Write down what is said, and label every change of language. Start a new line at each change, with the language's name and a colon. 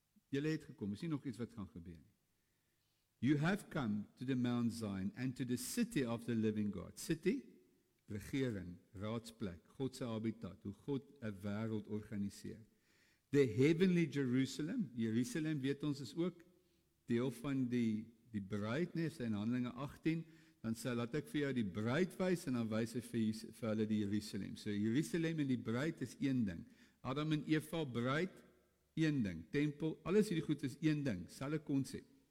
Afrikaans: Julle het gekom, is nie nog iets wat gaan gebeur.
English: You have come to the Mount Zion and to the city of the living God.
Afrikaans: City, regering, raadsplek, Godse habitat, hoe God 'n wêreld organiseer.
English: The heavenly Jerusalem,
Afrikaans: Jerusalem weet ons is ook deel van die bruid, nes in Handelinge 18, dan sê, laat ek vir jou die bruid wys en dan wys ek vir hulle die Jerusalem. So Jerusalem en die bruid is een ding. Adam en Eva, bruid, een ding, tempel, alles hierdie goed is een ding, selfe konsep.